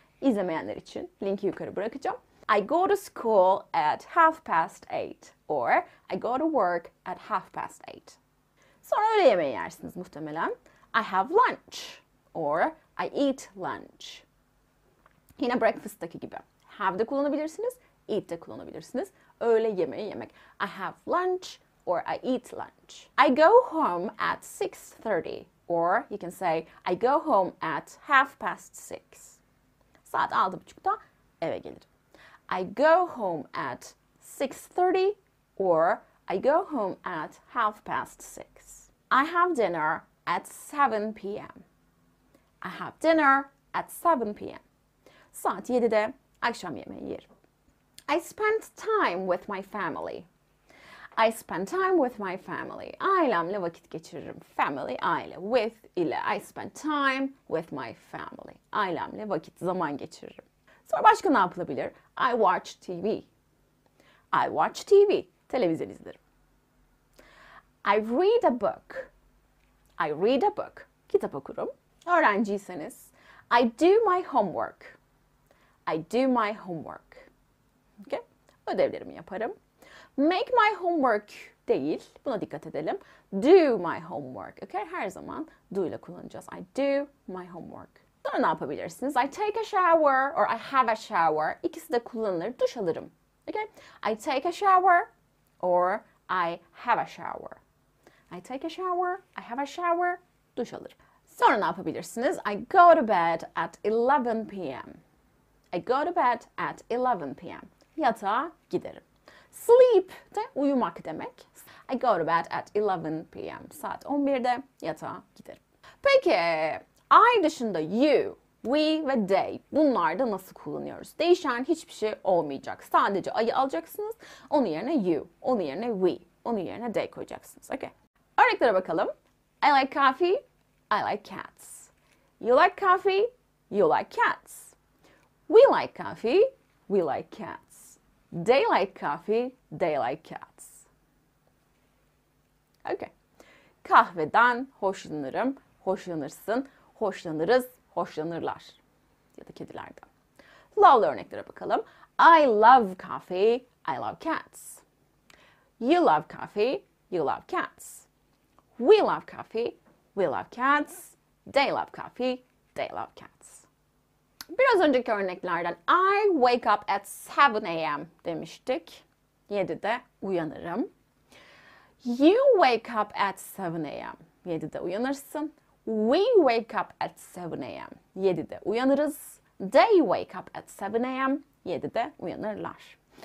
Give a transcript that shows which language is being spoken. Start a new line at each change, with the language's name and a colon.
Turkish: İzlemeyenler için linki yukarı bırakacağım.
English: I go to school at 8:30. Or I go to work at 8:30.
Turkish: Sonra öğle yemeği yersiniz muhtemelen.
English: I have lunch. Or I eat lunch.
Turkish: Yine breakfast'taki gibi. Have de kullanabilirsiniz, eat de kullanabilirsiniz. Öğle yemeği yemek.
English: I have lunch or I eat lunch. I go home at 6:30 or you can say I go home at 6:30.
Turkish: Saat 6:30'da eve gelirim.
English: I go home at 6:30 or I go home at 6:30. I have dinner at 7 p.m. I have dinner at 7 p.m.
Turkish: Saat 7'de. Akşam yemeği yerim.
English: I spend time with my family. I spend time with my family.
Turkish: Ailemle vakit geçiririm. Family, aile. With, ile.
English: I spend time with my family.
Turkish: Ailemle vakit, zaman geçiririm. Sonra başka ne yapılabilir?
English: I watch TV. I watch TV.
Turkish: Televizyon izlerim.
English: I read a book. I read a book.
Turkish: Kitap okurum. Öğrenciyseniz.
English: I do my homework. I do my homework. Okay?
Turkish: Ödevlerimi yaparım.
English: Make my homework
Turkish: değil. Buna dikkat edelim.
English: Do my homework. Okay?
Turkish: Her zaman do ile kullanacağız.
English: I do my homework.
Turkish: Sonra ne yapabilirsiniz?
English: I take a shower or I have a shower.
Turkish: İkisi de kullanılır. Duş alırım.
English: Okay? I take a shower or I have a shower. I take a shower, I have a shower.
Turkish: Duş alırım. Sonra ne yapabilirsiniz?
English: I go to bed at 11 p.m. I go to bed at 11 p.m.
Turkish: Yatağa giderim. Sleep de uyumak demek.
English: I go to bed at 11 p.m.
Turkish: Saat 11'de yatağa giderim. Peki, I dışında you, we ve they bunlarda nasıl kullanıyoruz? Değişen hiçbir şey olmayacak. Sadece I'yı alacaksınız. Onun yerine you, onun yerine we, onun yerine they koyacaksınız.
English: Okay.
Turkish: Örneklere bakalım.
English: I like coffee. I like cats. You like coffee. You like cats. We like coffee, we like cats. They like coffee, they like cats. Okay.
Turkish: Kahveden hoşlanırım, hoşlanırsın, hoşlanırız, hoşlanırlar. Ya da kedilerden. Lovely örneklere bakalım.
English: I love coffee, I love cats. You love coffee, you love cats. We love coffee, we love cats. They love coffee, they love cats.
Turkish: Biraz önceki örneklerden
English: I wake up at 7 a.m.
Turkish: demiştik. 7'de uyanırım.
English: You wake up at 7 a.m.
Turkish: 7'de uyanırsın.
English: We wake up at 7 a.m.
Turkish: 7'de uyanırız.
English: They wake up at 7 a.m.
Turkish: 7'de uyanırlar.